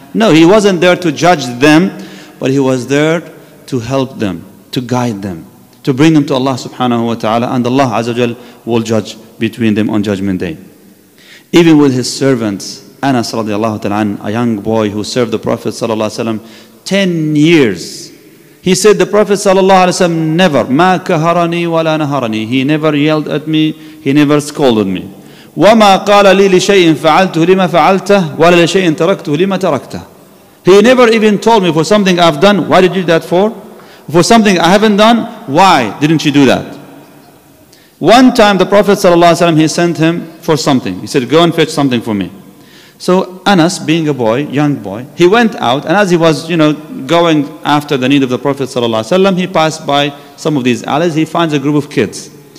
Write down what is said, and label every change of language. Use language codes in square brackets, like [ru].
[en] No, he wasn't there to judge them, but he was there to help them, to guide them, to bring them to Allah subhanahu wa ta'ala, and Allah azza wa jal will judge between them on judgment day. Even with his servants, Anas radiallahu ta'ala, a young boy who served the Prophet sallallahu alaihi wasallam 10 years. He said the Prophet sallallahu alaihi wasallam never, [ar] ma kaharani wa la naharani. [en] He never yelled at me, he never scolded me. [ar] وما قال لي لشيء فعلته لما فعلته ولا لشيء تركته لما تركته. [en] He never even told me for something I've done, why did you do that for? For something I haven't done, why didn't you do that? One time the Prophet ﷺ, he sent him for something. He said, go and fetch something for me. So Anas, being a boy, young boy, he went out, and as he was, you know, going after the need of the Prophet ﷺ, he passed by some of these alleys, he finds a group of kids.